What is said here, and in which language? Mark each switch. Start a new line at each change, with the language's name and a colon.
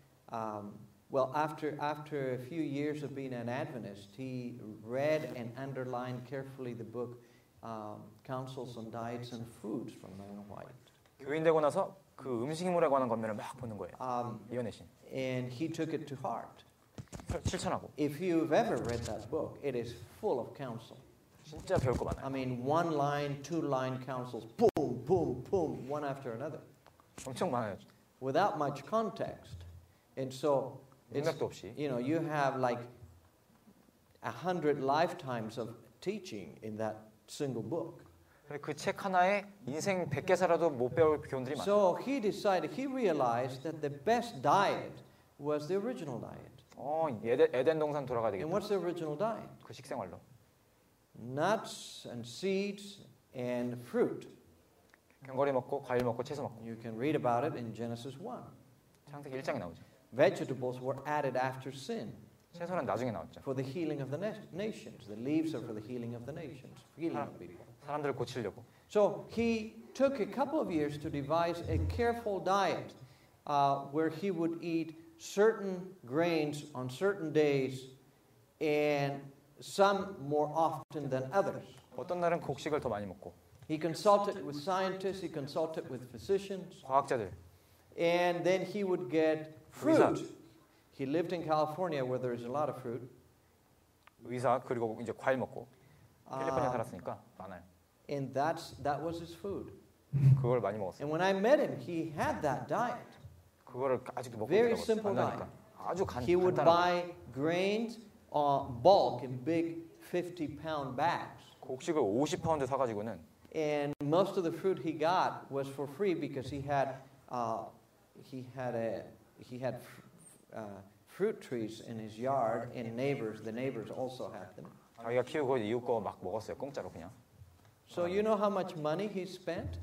English: After a few years of being an Adventist, he read and underlined carefully the book Counsels on Diets and Foods from Ellen White.
Korean: 교인 되고 나서 그 음식물에 관한 권면을 막 보는 거예요. 이원혜신.
English: And he took it to heart.
Korean: 실천하고.
English: If you've ever read that book, it is full of counsel.
Korean: 진짜 배울 거 많아요.
English: I mean, one line, two line counsels, boom, boom, boom, one after another.
Korean: 엄청 많아요.
English: Without much context. And so, it's, you know, you have like 100 lifetimes of teaching in that single book.
Korean: 그 책 하나에 인생 100개 살아도 못 배울 교훈들이 많아요.
English: So he decided, he realized that the best diet was the original diet.
Korean: 에덴 동산 돌아가야 되겠다.
English: And what's the original diet?
Korean: 그 식생활로.
English: Nuts and seeds and fruit.
Korean: 견과류 먹고 과일 먹고 채소 먹고.
English: You can read about it in Genesis 1.
Korean: 창세기 1장에 나오죠.
English: Vegetables were added after sin.
Korean: 채소는 나중에 나왔죠.
English: For the healing of the nations. The leaves are for the healing of the nations. Healing of people.
Korean: 사람들을 고치려고.
English: So he took a couple of years to devise a careful diet where he would eat certain grains on certain days and some more often than others.
Korean: 어떤 날은 곡식을 더 많이 먹고.
English: He consulted with scientists, he consulted with physicians.
Korean: 과학자들.
English: And then he would get fruit.
Korean: 의사.
English: He lived in California where there is a lot of fruit.
Korean: 의사 그리고 이제 과일 먹고. 캘리포니아 살았으니까 많아요.
English: And that was his food.
Korean: 그걸 많이 먹었어요.
English: And when I met him, he had that diet.
Korean: 그거를 아직도 먹고 있어요.
English: Very simple diet.
Korean: 아주 간단.
English: He would buy grains on bulk in big 50-pound bags.
Korean: 곡식을 50파운드 사가지고는.
English: And most of the fruit he got was for free because he had fruit trees in his yard, and the neighbors also had them.
Korean: 자기가 키우고 이웃 거 막 먹었어요, 공짜로 그냥.
English: So you know how much money he spent?